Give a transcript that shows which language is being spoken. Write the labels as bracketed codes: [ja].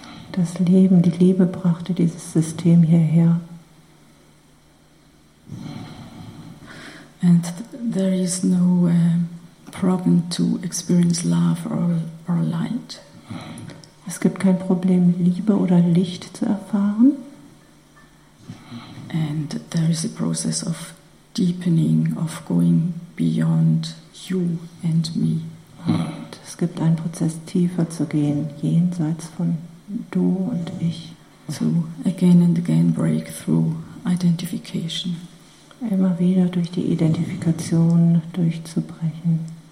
[de] Das Leben, die Liebe brachte dieses System hierher. [en] And there is no problem to experience love or light. [de] Es gibt kein Problem, Liebe oder Licht zu erfahren. [en] And there is a process of deepening, of going beyond you and me. [de] Und es gibt einen Prozess, tiefer zu gehen, jenseits von du und ich. [en] So again and again break through identification. [de] Immer wieder durch die Identifikation durchzubrechen.